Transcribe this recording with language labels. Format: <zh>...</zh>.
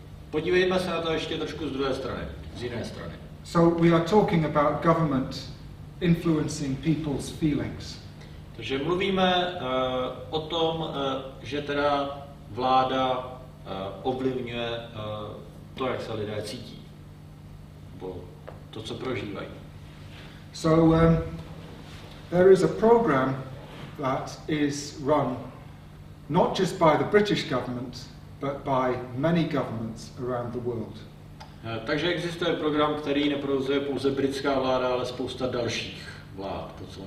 <cs>Podívejme se na to ještě trošku z druhé strany, z jiné strany.</cs> <en>So we are talking about government influencing people's feelings.</en> <cs>Takže mluvíme o tom, že teda vláda ovlivňuje to, jak se lidé cítí, nebo to, co prožívají.</cs> <en>So there is a program that is run not just by the British government, but by many governments around the world.</en> <cs>Takže existuje program, který neprovozuje pouze britská vláda, ale spousta dalších vlád.</cs>